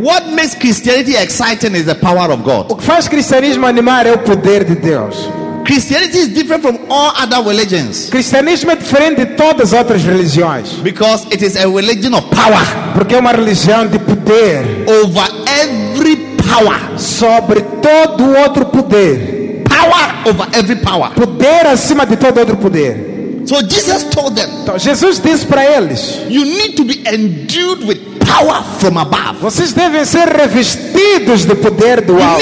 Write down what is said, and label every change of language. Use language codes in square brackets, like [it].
[en] What makes Christianity exciting is the power of God. [pt] O que faz cristianismo animar é o poder de Deus. [en] Christianity is different from all other religions. [pt] Cristianismo é diferente de todas as outras religiões. [en] Because it is a religion of power. [pt] Porque é uma religião de poder. [en] Over every power. [pt] Sobre todo outro poder. [en] Power over every power. [pt] Poder acima de todo outro poder. [en] So Jesus told them. [pt] Então Jesus disse para eles. [en] You need to be endued with power from above. [pt] Vocês devem ser revestidos de poder do alto.